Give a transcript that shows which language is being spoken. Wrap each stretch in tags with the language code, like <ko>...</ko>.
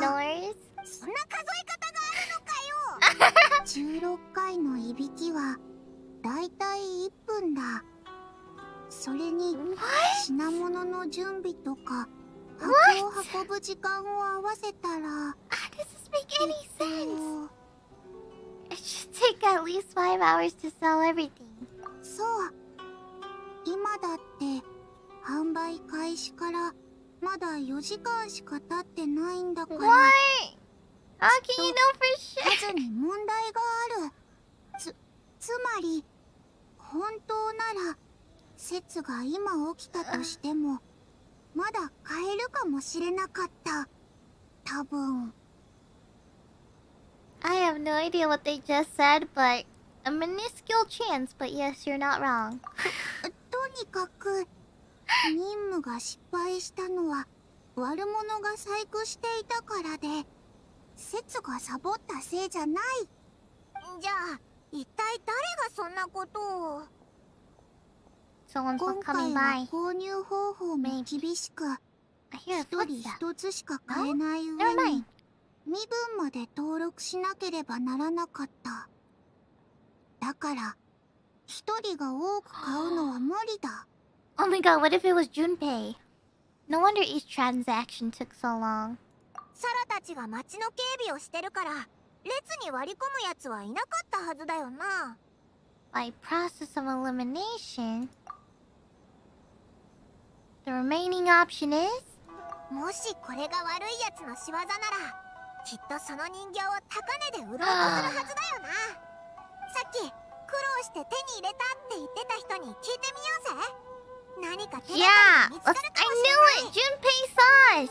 <ja>んな数え方があるのかよ。 16回のいびきはだいたい1分だ。それに品物の準備とか箱を運ぶ時間を合わせたら、</ja> <en>This doesn't make any sense. It should take at least 5 hours to sell everything.</en> <ja>そう。今だって販売開始からまだ4時間しか経ってないんだから。</ja> <en>Why? How can you know for sure?</en> <ja>数に問題がある。つまり、本当なら、説が今起きたとしても、まだ買えるかもしれなかった。多分。</ja> <en>I have no idea what they just said, but a minuscule chance, but yes, you're not wrong.</en> <ja>とにかく、任務が失敗したのは、悪者が細工していたからで、説がサボったせいじゃない。じゃあ一体誰がそんなことを。今回は購入方法も厳しく、一人一つしか買えない上に身分まで登録しなければならなかった。だから一人が多く買うのは無理だ。</ja> <en>Oh my god, what if it was Junpei? No wonder each transaction took so long.</en> <ja>サラたちが町の警備をしてるから、列に割り込むやつはいなかったはずだよな。</ja> <en>By process of elimination, the remaining option is?</en> <ja>もしこれが悪いやつの仕業なら、きっとその人形を高値で売ろうとするはずだよな。さっき、苦労して手に入れたって言ってた人に聞いてみようぜ。何か手がかり見つかるかもしれない。</ja>